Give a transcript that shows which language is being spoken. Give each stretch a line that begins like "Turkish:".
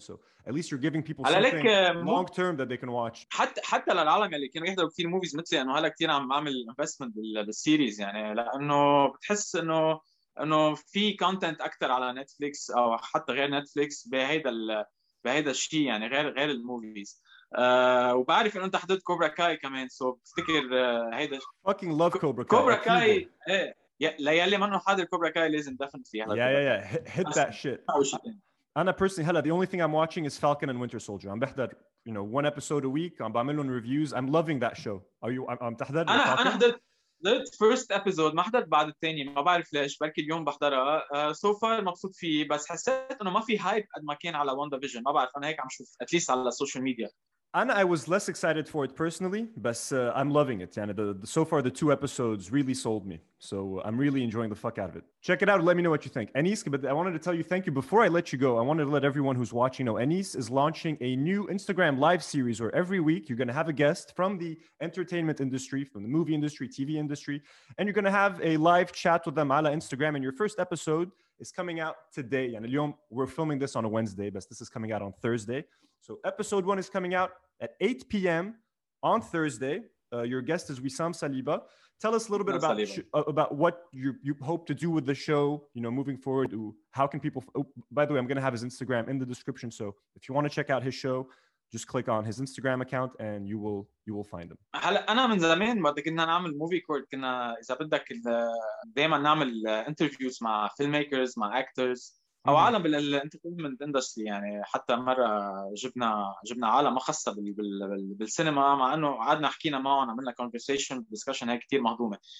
English: So at least you're giving people something long term that they can watch.
Arabic: حتى للعالم اللي كانوا يحضروا كثير موفيز مثلي، انه هلا كثير عم اعمل انفستمنت بالسيريز يعني، لانه بتحس انه في كونتنت اكثر على نتفليكس او حتى غير نتفليكس بهذا الشيء يعني، غير الموفيز. وبعرف انه انت حضرت كوبرا كاي كمان، سو بفتكر هيدا
English: fucking love Cobra Kai.
Arabic: كوبرا كاي ايه ليالي ما انه حاضر كوبرا كاي لازم definitely حضرت.
English: Yeah. Hit that shit. انا personally هلا the only thing I'm watching is Falcon and Winter Soldier. I'm بحضر you know one episode a week. I'm بعملهم reviews. I'm loving that show. Are you I'm تحضر
Arabic: انا Falcon? انا حضرت لقيت فيرست ابيزود، ما حضرت بعد الثاني، ما بعرف ليش، بركي اليوم بحضرها. سو فار مبسوط فيه، بس حسيت انه ما في هايب قد ما كان على واندا فيجن، ما بعرف، انا هيك عم شوف اتليست على السوشيال ميديا.
English: انا I was less excited for it personally, بس I'm loving it. يعني so far the two episodes really sold me. So I'm really enjoying the fuck out of it. Check it out and let me know what you think. Anis, but I wanted to tell you thank you. Before I let you go, I wanted to let everyone who's watching know Anis is launching a new Instagram live series where every week you're going to have a guest from the entertainment industry, from the movie industry, TV industry, and you're going to have a live chat with them ala Instagram. And your first episode is coming out today.
Arabic: يعني اليوم,
English: we're filming this on a Wednesday, but this is coming out on Thursday. So episode one is coming out at 8 p.m. on Thursday. Your guest is Wissam Saliba. Tell us a little bit about what you hope to do with the show, you know, moving forward. How can people, by the way, I'm going to have his Instagram in the description. So if you want to check out his show, just click on his Instagram account and you will find him.
Arabic: أنا من زمان بعد كنا نعمل movie court، كنا إذا بدك دائما نعمل interviews مع filmmakers، مع actors، أو عالم بالentertainment industry يعني. حتى مرة جبنا عالم خاصة بالسينما، مع أنه قعدنا حكينا معه، عملنا
English: conversation discussion
Arabic: هيك كتير مهضومة.